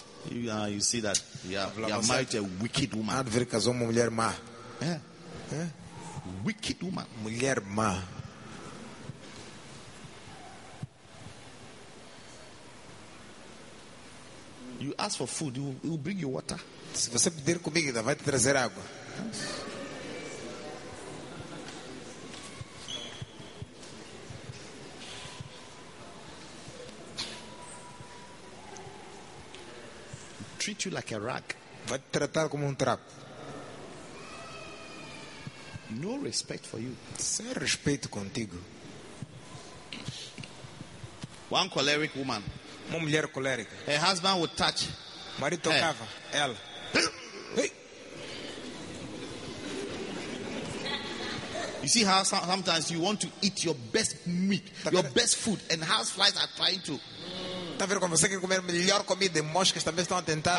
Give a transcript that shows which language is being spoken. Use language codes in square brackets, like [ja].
[en] You see that you are married a wicked woman. [pt] Adver casou uma mulher má. [en] Wicked woman. [pt] Mulher má. [en] You ask for food, you bring you water. [pt] Se você pedir comida, vai te trazer água. [en] Treat you like a rag. [pt] Vai te tratar como trapo. [en] No respect for you. [pt] Sem respeito contigo. [en] One choleric woman. [pt] Uma mulher colérica. [en] Her husband would touch. [pt] Marido tocava. Ela. [en] You see how sometimes you want to eat your best meat, your best food, and house flies are trying to. [pt] Tá vendo como você quer comer melhor comida, moscas também estão a tentar.